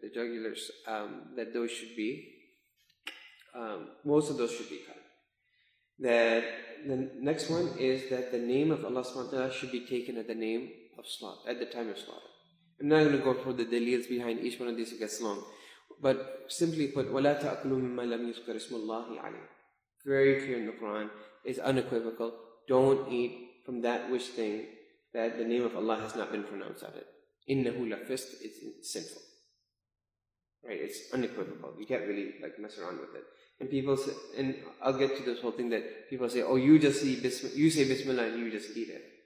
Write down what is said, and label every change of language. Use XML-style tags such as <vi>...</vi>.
<en>The jugulars, that those should be, most of those should be cut. That the next one is that the name of Allah subhanahu wa ta'ala should be taken at the name of slaughter, at the time of slaughter. I'm not going to go through the dalils behind each one of these, it gets long. But simply put,</en> <ar>وَلَا تَأْكُلُوا مِمَّا لَمْ يُذْكَرِ اسْمُ اللَّهِ عَلَيْهِ.</ar> <en>Very clear in the Quran, is unequivocal. Don't eat from that which thing that the name of Allah has not been pronounced at it.</en> <ar>إِنَّهُ لَفِسْكُ.</ar> <en>It's sinful. Right? It's unequivocal. You can't really like mess around with it. And people say, and I'll get to this whole thing that people say, oh, you just say Bismillah, you say Bismillah and you just eat it.</en>